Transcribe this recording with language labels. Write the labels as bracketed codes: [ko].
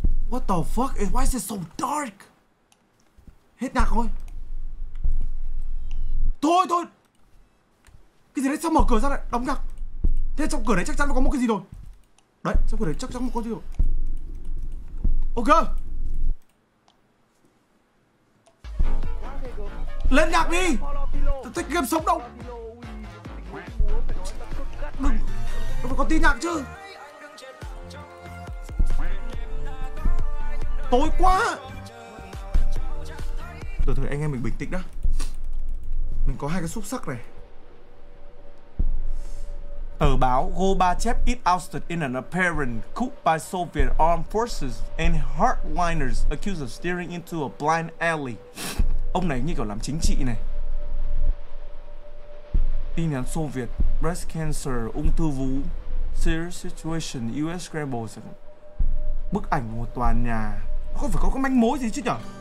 [en] What the fuck is, why is it so dark? [vi] Hết nạc rồi. Thôi thôi, cái gì đấy, sao mở cửa ra lại đóng nhạc? Thế trong cửa đấy chắc chắn có một cái gì rồi. Đấy, trong cửa đấy chắc chắn có cái gì rồi. Ok, lên nhạc đi. Thích game sống động. Đừng, nó có tin nhạc chứ. Tối quá. Từ từ anh em mình bình tĩnh đã. Mình có hai cái xúc sắc này. Tờ báo [en] Gorbachev is ousted in an apparent coup by Soviet armed forces and hardliners accused of steering into a blind alley. [vi] Ông này như kiểu làm chính trị này. Tin nhắn [en] Soviet, breast cancer, [vi] ung thư vú. [en] Serious situation, US scrambles. [vi] Bức ảnh một tòa nhà. Không phải có cái manh mối gì chứ nhở.